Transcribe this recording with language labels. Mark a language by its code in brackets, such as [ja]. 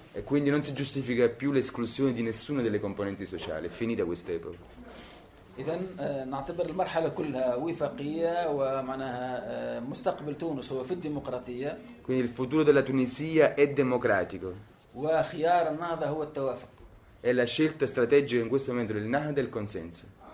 [it] E quindi non si giustifica più l'esclusione di nessuna delle componenti sociali. Finita questa epoca. [ar] إذن نعتبر المرحلة كلها وفاقية ومعناها مستقبل تونس هو في الديمقراطية. [it] Quindi il futuro della Tunisia è democratico. [ar] وخيار النهضة هو التوافق. [it] E la scelta strategica in questo momento del Nahda è il consenso.